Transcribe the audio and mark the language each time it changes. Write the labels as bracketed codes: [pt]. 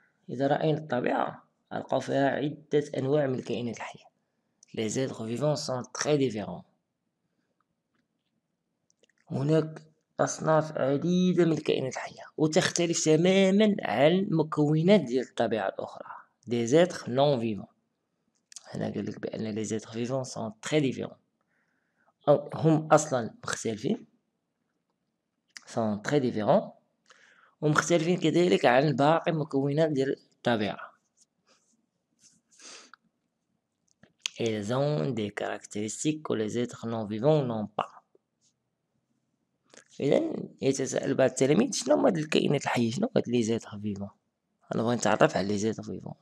[ar] إذا رأينا الطبيعة ألقى فيها عدة أنواع من الكائنات الحية. [fr] Les êtres vivants sont très différents. [ar] هناك أصناف عديدة من الكائنات الحية وتختلف تماما عن مكونات ديال الطبيعة الأخرى. [fr] Des êtres non vivants. [ar] أنا قلت لك بأن [fr] les êtres vivants sont très différents. [ar] هم اصلا مختلفين [fr] سون تري ديفيرون [ar] ومختلفين كذلك عن باقي المكونات ديال الطبيعه. [fr] Elles ont des caractéristiques que les êtres non vivants n'ont pas. [ar] إذن يتساءل بعض التلاميذ شنو هما الكائنات الحية، شنو هاد لي زيتر فيفون؟ أنا بغيت نتعرف على لي زيتر فيفون.